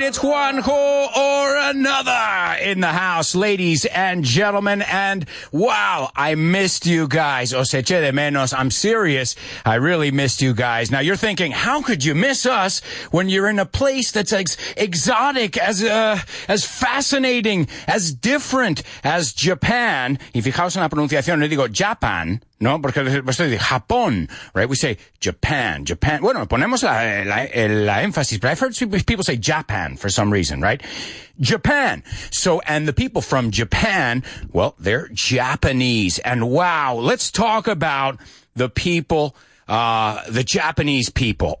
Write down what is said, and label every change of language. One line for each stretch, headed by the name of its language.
English: It's one ho or another in the house, ladies and gentlemen, and wow, I missed you guys.
Spanish: Os eché de menos.
English: I'm serious. I really missed you guys. Now, you're thinking, how could you miss us when you're in a place that's as exotic, as fascinating, as different as Japan?
Spanish: Y fijaos en la pronunciación, no digo Japan, ¿no? Porque estoy de Japón,
English: right? We say Japan, Japan.
Spanish: Bueno, ponemos la énfasis,
English: but I've heard people say Japan for some reason, right? Japan. So, and the people from Japan, well, they're Japanese. And wow, let's talk about the people, the Japanese people.